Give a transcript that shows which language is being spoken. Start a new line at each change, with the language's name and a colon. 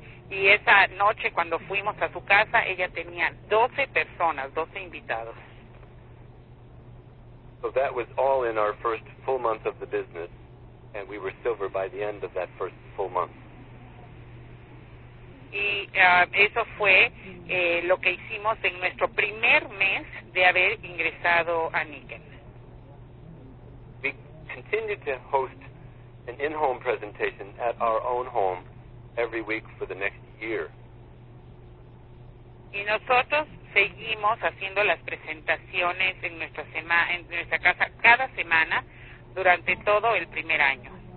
Spanish: Y esa noche cuando fuimos a su casa, ella tenía 12 personas, 12 invitados.
English: So that was all in our first full month of the business, and we were silver by the end of that first full month.
Spanish: Y eso fue lo que hicimos en nuestro primer mes de haber ingresado a Niken.
English: We continued to host an in-home presentation at our own home every week for the next year.
Spanish: Y nosotros seguimos haciendo las presentaciones en nuestra casa cada semana durante todo el primer año.